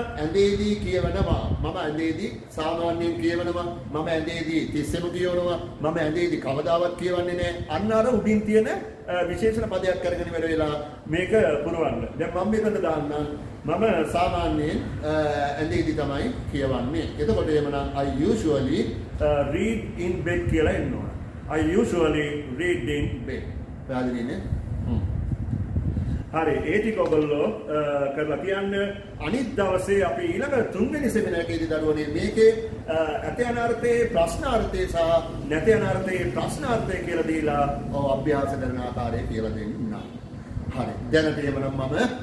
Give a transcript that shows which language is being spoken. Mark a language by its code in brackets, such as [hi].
[si] ඇඳේදී කියවනවා මම ඇඳේදී සාමාන්‍යයෙන් කියවනවා මම ඇඳේදී තිස්සෙම කියවනවා මම ඇඳේදී කවදාවත් කියවන්නේ නැහැ අන්න අර උඩින් තියෙන විශේෂණ පදයක් අරගෙන වැඩ වෙලා මේක පුරවන්න දැන් මම මෙතන දාන්නම් මම සාමාන්‍යයෙන් ඇඳේදී තමයි කියවන්නේ එතකොට එහෙමනම් [en] I usually read in bed [si] කියලා එන්නවා [en] I usually read in bed [si] පැහැදිලිනේ හරි ඒ ටික ඔගොල්ලෝ කරලා තියන්න අනිත් දවසේ අපි ඊළඟ තුන්වෙනි සෙමිනාරයේදී දරුවනේ මේකේ ඇත යනාර්ථයේ ප්‍රශ්නාර්ථය සහ නැත යනාර්ථයේ ප්‍රශ්නාර්ථය කියලා දීලා ඔව් අභ්‍යාස කරන ආකාරය කියලා දෙන්නා හරි දැනට එමනම් මම